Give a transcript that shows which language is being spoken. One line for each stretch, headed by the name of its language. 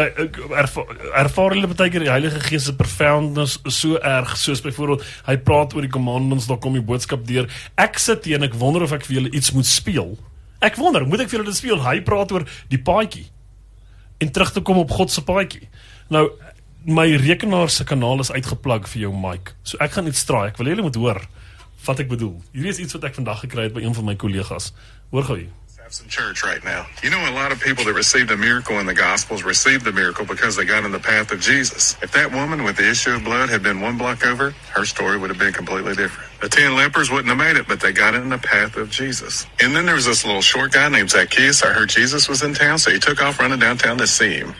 Afrikaans: Ervaar hulle baie keer die Heilige Gees se profoundness so erg, soos byvoorbeeld hy praat oor die commandments, daar kom die boodskap deur. Ek sit hier en ek wonder of ek vir julle iets moet speel. Ek wonder, moet ek vir julle speel? Hy praat oor die paadjie en terug te kom op God se paadjie. Nou, my rekenaar se kanaal is uitgeplug vir jou mic, so ek gaan iets straai. Ek wil julle moet hoor wat ek bedoel. Hierdie is iets wat ek vandag gekry het by een van my kollegas. Hoor gou hier.
English: have some church right now. You know, a lot of people that received a miracle in the Gospels received the miracle because they got in the path of Jesus. If that woman with the issue of blood had been one block over, her story would have been completely different. The 10 lepers wouldn't have made it, but they got in the path of Jesus. And then there was this little short guy named Zacchaeus. I heard Jesus was in town, so he took off running downtown to see him.